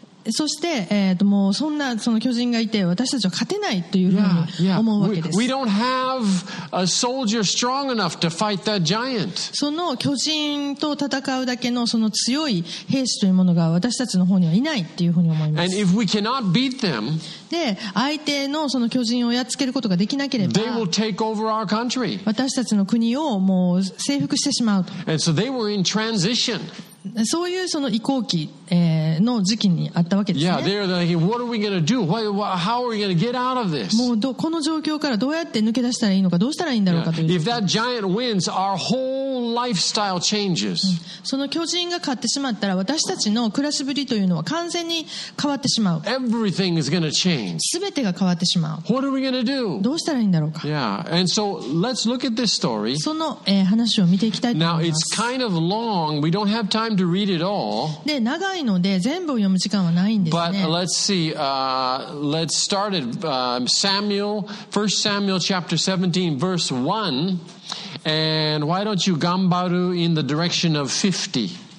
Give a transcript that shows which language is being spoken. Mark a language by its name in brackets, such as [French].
[Japanese] そして、もうそんなその巨人がいて私たちは勝てないというふうに思うわけです。 [English] Yeah, yeah. We don't have a soldier strong enough to fight that giant. [Japanese] その巨人と戦うだけのその強い兵士というものが私たちの方にはいないっていうふうに思います。 [English] And if we cannot beat them. [Japanese] で、相手のその巨人をやっつけることができなければ、 [English] they will take over our country. [Japanese] 私たちの国をもう征服してしまうと。 [English] And so they were in transition. [Japanese] そういうその移行期、の時期にあったわけですね。 [English] Yeah, they're like, what are we going to do? Why, how are we going to get out of this? [Japanese] もうこの状況からどうやって抜け出したらいいのか、どうしたらいいんだろうかという。 [English] If that giant wins, our whole lifestyle changes. [Japanese] その巨人が勝ってしまったら、私たちの暮らしぶりというのは完全に変わってしまう。 [English] Everything is going to change. [Japanese] 全てが変わってしまう。 [English] What are we going to do? [Japanese] どうしたらいいんだろうか。 [English] Yeah, and so let's look at this story. [Japanese] その、話を見ていきたいと思います。 [English] Now, it's kind of long. We don't have time to read it all. [Japanese] で、長いので全部を読む時間はないんですね。 [English] But let's see, let's start at Samuel, 1 Samuel chapter 17, verse 1. And why don't you gambaru in the direction of 50?